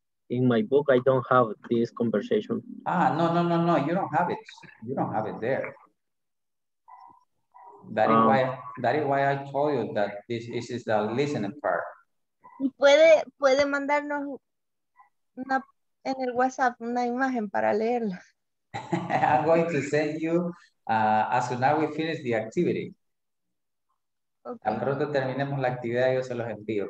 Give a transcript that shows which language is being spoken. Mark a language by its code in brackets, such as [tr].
[en] In my book, I don't have this conversation. No. You don't have it. You don't have it there. That is why I told you that this is the listening part. [es] Y puede mandarnos una, en el WhatsApp una imagen para leerla. [en] I'm going to send you as soon as we finish the activity. Okay. [es] Tan pronto terminemos la actividad, yo se los envío.